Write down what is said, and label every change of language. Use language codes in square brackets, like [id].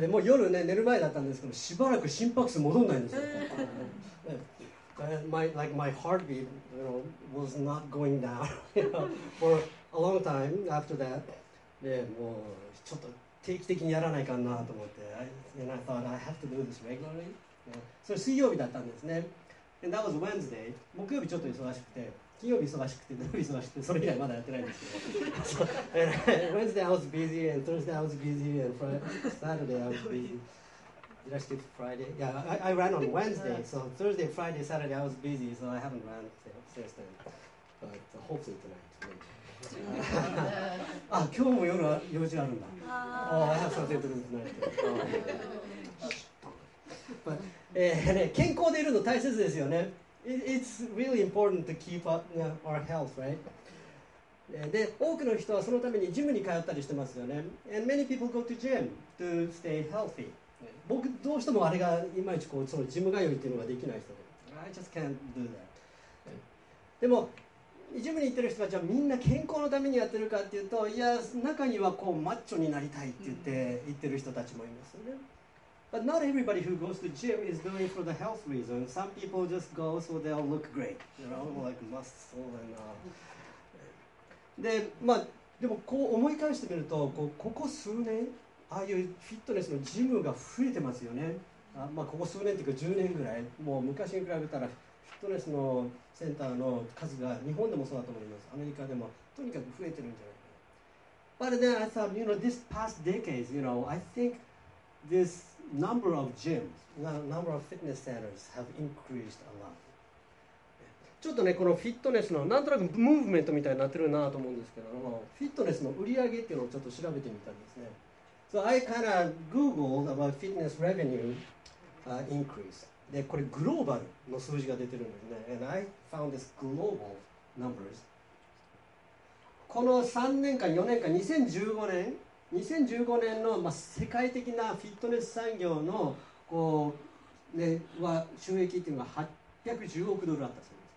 [ja] でもう夜ね、寝る前だったんですけど、しばらく心拍数戻んないんですよ。 [en] my heartbeat, you know, was not going down, you know, for a long time after that. [ja] で、もうちょっと定期的にやらないかなと思って、 [en] and I thought I have to do this regularly. [ja] それ水曜日だったんですね。 [en] And that was Wednesday. [ja] 木曜日ちょっと忙しくて、金曜日忙しくて、土曜日忙しくて、それ以外まだやってないんですけど。 [en] So, Wednesday I was busy, and Thursday I was busy, and Saturday I was busy. Did I skip Friday? Yeah, I ran on Wednesday, so Thursday, Friday, Saturday I was busy, so I haven't run since then. But hopefully tonight. [ja] あ、今日も夜は用事があるんだ。 [en] Oh, I have something to do tonight. [ja] ね、健康でいるの大切ですよね。 [en] It's really important to keep up our health, right? [ja] で、多くの人はそのためにジムに通ったりしてますよね。 [en] And many people go to gym to stay healthy. [ja] 僕どうしてもあれがいまいちこうそのジム通いっていうのができない人で。 [en] I just can't do that. [ja] でも、ジムに行ってる人たちはみんな健康のためにやってるかっていうと、いや、中にはこうマッチョになりたいって言って行ってる人たちもいますよね。 [en] But not everybody who goes to gym is doing for the health reason. Some people just go so they'll look great. They're all like muscle and all. [ja] で、まあ、でもこう思い返してみると、こう、ここ数年、ああいうフィットネスのジムが増えてますよね。あ、まあ、ここ数年っていうか10年ぐらい、もう昔に比べたらフィットネスのセンターの数が日本でもそうだと思います。アメリカでもとにかく増えてるんじゃないかな。 [en] But then I thought, you know, this past decades, you know, I think this number of gyms, number of fitness centers have increased a lot. [ja] ちょっとね、このフィットネスのなんとなくムーブメントみたいになってるなと思うんですけども、フィットネスの売り上げっていうのをちょっと調べてみたんですね。 [en] So I kind of googled about fitness revenue increase. [ja] で、これグローバルの数字が出てるんですね。 [en] And I found this global numbers. [ja] この3年間、4年間、2015年の、まあ、世界的なフィットネス産業のこう、ね、は収益っていうのが810億ドルあったそうです。